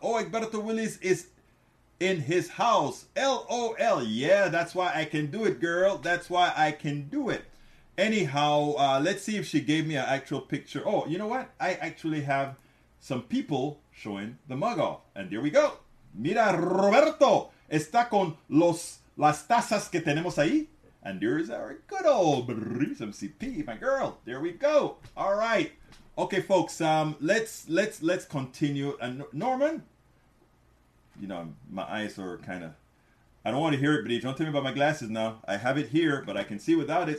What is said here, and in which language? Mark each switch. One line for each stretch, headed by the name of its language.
English: Oh, Egberto Willis is in his house. LOL. Yeah, that's why I can do it, girl. That's why I can do it. Anyhow, let's see if she gave me an actual picture. Oh, you know what? I actually have some people showing the mug off. And there we go. Mira, Roberto.
Spanish: Está con las tazas que tenemos ahí.
English: And there is our good old Breach MCP, my girl. There we go. All right. Okay, folks. Let's continue. And Norman, you know, my eyes are kind of... I don't want to hear it, Breach. Don't tell me about my glasses now. I have it here, but I can see without it.